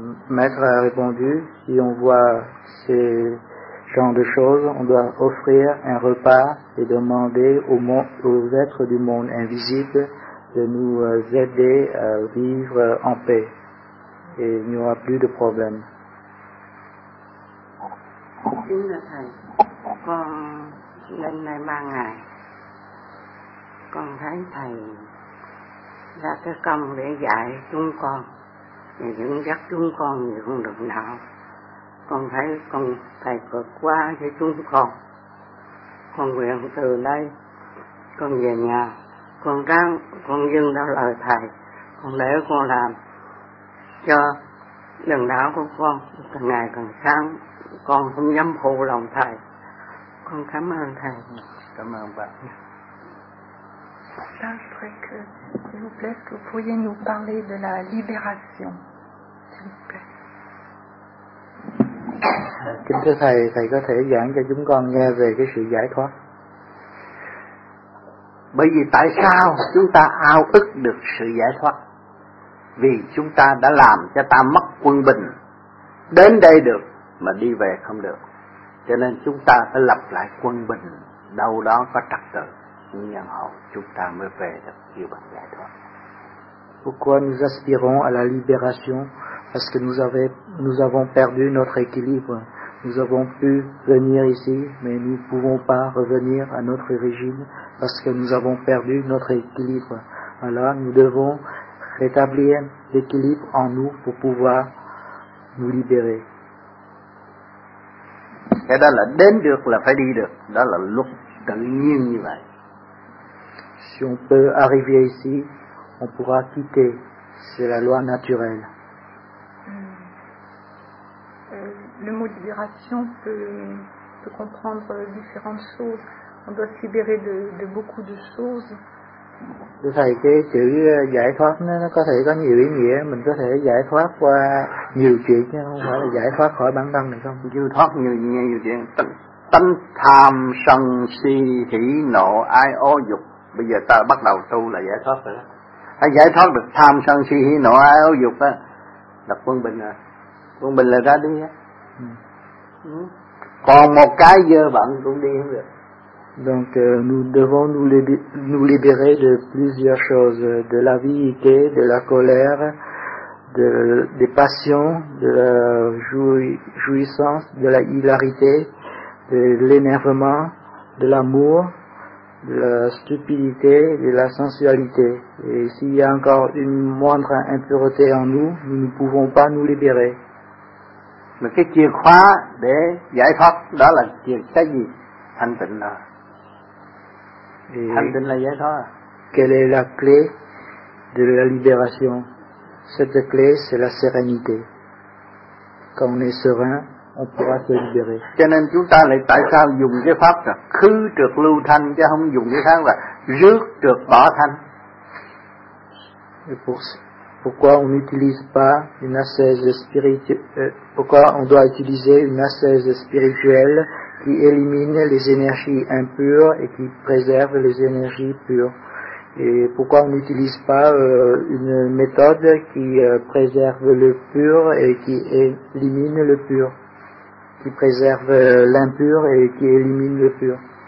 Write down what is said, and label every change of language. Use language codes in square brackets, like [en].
[fr] Maître a répondu, si on voit ce genre de choses, on doit offrir un repas et demander aux êtres du monde invisible de nous aider à vivre en paix. Et il n'y aura plus de problème. [vi] Kính thưa thầy, con lên đây 3 ngày. Con thấy thầy ra cái công để dạy chúng con, để dẫn dắt chúng con về con đường đạo. Con thấy thầy vượt qua cho chúng con. con nguyện từ đây con về nhà, con ráng, con dâng ra lời thầy, con để con làm cho đường đạo của con càng ngày càng sáng. Con không dám phụ lòng thầy. Con cảm ơn thầy. Cảm ơn bạn. [fr] Là, je vous plaît, est-ce que vous pourriez nous parler de la libération, s'il vous plaît. [vi] Kính thưa thầy, thầy có thể giảng cho chúng con nghe về cái sự giải thoát. Bởi vì tại sao chúng ta ao ức được sự giải thoát? Vì chúng ta đã làm cho ta mất quân bình, đến đây được mà đi về không được. Cho nên chúng ta phải lập lại quân bình, đâu đó có trật tự nhân hậu, chúng ta mới về được kêu bằng giải thoát. [fr] Pourquoi nous aspirons à la libération? Parce que nous avons perdu notre équilibre. Nous avons pu venir ici, mais nous ne pouvons pas revenir à notre origine parce que nous avons perdu notre équilibre. Alors nous devons rétablir l'équilibre en nous pour pouvoir nous libérer. [vi] Cái đó là đến được là phải đi được. Đó là luật tự nhiên như vậy. [fr] Si on peut arriver ici, on pourra quitter. C'est la loi naturelle. Le mot libération peut comprendre différentes choses. On doit se libérer de beaucoup de choses. [vi] Thưa thầy, cái chữ giải thoát nó có thể có nhiều ý nghĩa. Mình có thể giải thoát qua nhiều chuyện chứ không phải là giải thoát khỏi bản thân được không? Giải thoát nhiều chuyện. Tánh tham sân si hỷ nộ ai ô dục. Bây giờ ta bắt đầu tu là giải thoát rồi đó. Hãy giải thoát được tham sân si hỷ nộ ai ô dục á, đập quân bình à. Quân bình là ra đi á. Còn một cái dơ bẩn cũng đi không được. [fr] Donc nous devons nous libérer de plusieurs choses, de la vanité, de la colère, des passions, de la jouissance, de la hilarité, de l'énervement, de l'amour, de la stupidité, de la sensualité. Et s'il y a encore une moindre impureté en nous, nous ne pouvons pas nous libérer. [vi] Mais cái chìa khóa để giải thoát đó là cái gì? Thanh tịnh là. Thanh tịnh là giải thoát. [fr] Quelle est la clé de la libération? Cette clé, c'est la sérénité. Quand on est serein, on pourra se libérer. [vi] Cho nên chúng ta lại tại sao dùng cái pháp là khứ trượt lưu thanh, chứ không dùng cái pháp là rước trượt bỏ thanh. [fr] Et pourquoi on n'utilise pas une ascèse spirituelle, pourquoi on doit utiliser une ascèse spirituelle qui élimine les énergies impures et qui préserve les énergies pures. Et pourquoi on n'utilise pas une méthode qui préserve le pur et qui élimine le pur, qui préserve l'impur et qui élimine le pur.